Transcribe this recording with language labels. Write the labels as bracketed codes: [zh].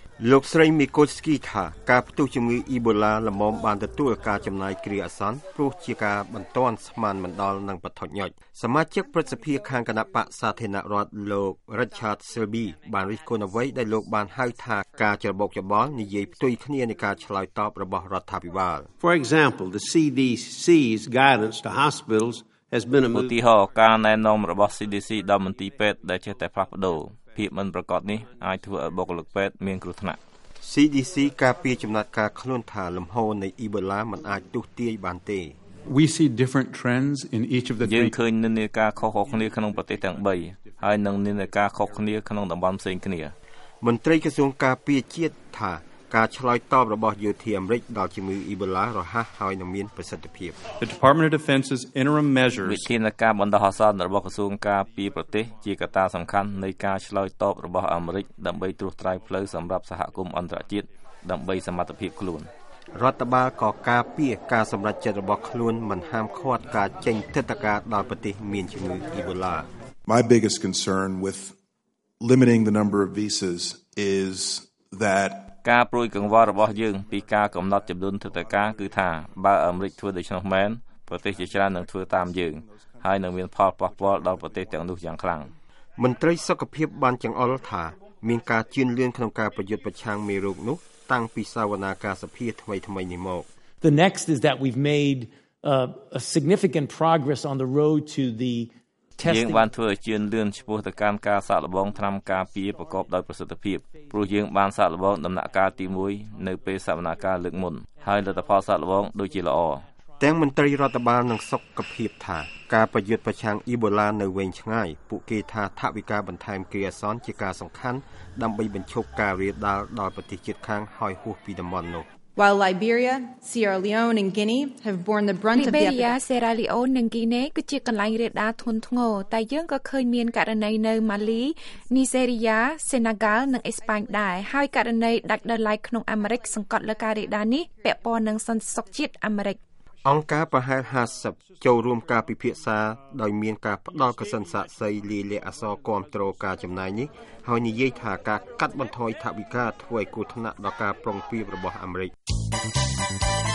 [km] លោកស្រីមីកូស្គីថាការផ្ទុះជំងឺអ៊ីបូឡាល្មមបានទទួលការចំណាយគ្រាអាសន្នព្រោះជាការបន្ទាន់ស្មានមិនដល់និងបាត់ថុញាច់សមាជិកព្រឹទ្ធសភាខាងគណៈបកសាធារណរដ្ឋលោករីឆាតស៊ីលប៊ីបានរិះគន់អ្វីដែលលោកបានហៅថាការច្របូកច្របល់និយាយផ្ទុយគ្នានៃការឆ្លើយតបរបស់រដ្ឋាភិបាល [en] For example the CDC's guidance to hospitals has been a move [km] ទៅការណែនាំរបស់ CDC ដល់មន្ទីរពេទ្យដែលចេះតែផ្លាស់ប្ដូរភាពមិនប្រកបនេះអាចធ្វើឲ្យបុគ្គលិកពេទ្យមានគ្រោះថ្នាក់ CDC ការពារចំណាត់ការខ្លួនថាលំហូរនៃអ៊ីបូឡាមិនអាចទុះទាយបានទេ [en] We see different trends in each of the three. [km] យើងឃើញនិន្នាការខុសៗគ្នាក្នុងប្រទេសទាំង3ហើយនិងនិន្នាការខុសគ្នាក្នុងតំបន់ផ្សេងគ្នា មន្ត្រីក្រសួងការពារជាតិថាការឆ្លើយតបរបស់យោធាអាមេរិកដល់ជំងឺអ៊ីបូឡារហ័សហើយនឹងមានប្រសិទ្ធភាព [en] The Department of Defense's interim measures [km] វិធានការបណ្ដោះអាសន្នរបស់ក្រសួងការពារប្រទេសជាកត្តាសំខាន់នៃការឆ្លើយតបរបស់អាមេរិកដើម្បីត្រួសត្រាយផ្លូវសម្រាប់សហគមន៍អន្តរជាតិដើម្បីសមត្ថភាពខ្លួន រដ្ឋបាលក៏ការពារការសម្រេចចិត្តរបស់ខ្លួនមិនហាមឃាត់ការចេញទិដ្ឋាការដល់ប្រទេសមានជំងឺអ៊ីបូឡា [en] My biggest concern with limiting the number of visas is that [km] ការប្រួយកង្វល់របស់យើងពីការកំណត់ចំនួនទិដ្ឋាការគឺថាបើអាមេរិកធ្វើដូច្នោះមែនប្រទេសជាច្រើននឹងធ្វើតាមយើងហើយនឹងមានផលប៉ះពាល់ដល់ប្រទេសទាំងនោះយ៉ាងខ្លាំង មន្ត្រីសុខភាពបានចង្អុលថាមានការជឿនលឿនក្នុងការប្រយុទ្ធប្រឆាំងមេរោគនោះតាំងពីសវនាការសភាថ្មីៗនេះមក [en] The next is that we've made a significant progress on the road to the testing [km] យើងបានធ្វើជឿនលឿនឆ្ពោះទៅកាន់ការសាកល្បងថ្នាំការពារប្រកបដោយប្រសិទ្ធភាពព្រោះយើងបានសាកល្បងដំណាក់កាលទី1នៅពេលសវនាការលើកមុនហើយលទ្ធផលសាកល្បងដូចជាល្អ ទាំងមន្ត្រីរដ្ឋបាលនិងសុខភាពថាការប្រយុទ្ធប្រឆាំងអ៊ីបូឡានៅវែងឆ្ងាយពួកគេថាថវិកាបន្ថែមគ្រាអាសន្នជាការសំខាន់ដើម្បីបញ្ឈប់ការរាលដាលដល់ប្រទេសជិតខាងហើយហួសពីតំបន់នោះ [en] While Liberia, Sierra Leone and Guinea have borne the brunt of the [km] Liberia, Sierra Leone និង Guinea គឺជាកន្លែងរាលដាលធ្ងន់ធ្ងរតែយើងក៏ឃើញមានករណីនៅ Mali, Nigeria, Senegal និង Espagne ដែរហើយករណីដាច់ដោយឡែកក្នុងអាមេរិកសង្កត់លើការរាលដាលនេះពាក់ព័ន្ធនឹងសន្តិសុខជាតិអាមេរិក អង្គការប្រហែល50ចូលរួមការពិភាក្សាដោយមានការផ្ដល់កសិនស័ក្តិសីលីលាអសរគ្រប់គ្រងការចំណាយនេះហើយនិយាយថាការកាត់បន្ថយថវិកាធ្វើឲ្យគូថ្នាក់ដល់ការប្រុងប្រៀបរបស់អាមេរិក